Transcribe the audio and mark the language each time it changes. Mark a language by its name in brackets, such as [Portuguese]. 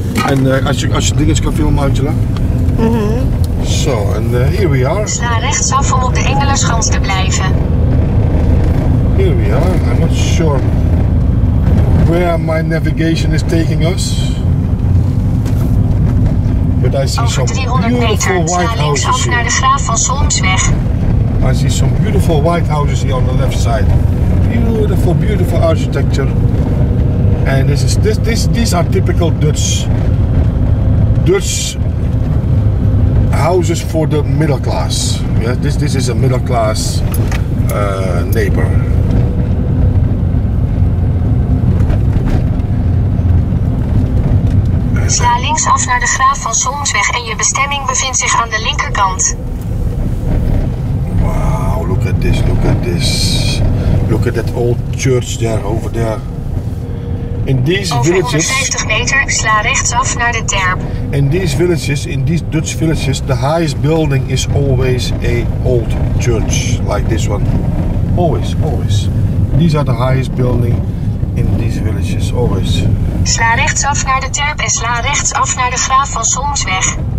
[Dutch] En als je ding eens kan filmen, Angela. Zo, en [English] here we are. [Dutch] Sla rechtsaf om op de Engelerschans te blijven. [English] Here we are. I'm not sure where my navigation is taking us. But I see some beautiful white houses here. [Dutch] Over 300 meter, sla linksaf naar de Graaf van Solmsweg. [English] I see some beautiful white houses here on the left side. Beautiful, beautiful architecture. And these are typical Dutch houses for the middle class. Yeah, this is a middle class neighbor. [Dutch] Sla linksaf naar de Graaf van Solmsweg en je bestemming bevindt zich aan de linkerkant. [English] Wow, look at that old church there over there. In these [Dutch] over [English] villages, [Dutch] 150 meter, sla rechtsaf naar de Terp. [English] In these Dutch villages, the highest building is always a old church, like this one. Always. These are the highest building in these villages, always. [Dutch] Sla rechtsaf naar de Terp en sla rechtsaf naar de Graaf van Solmsweg.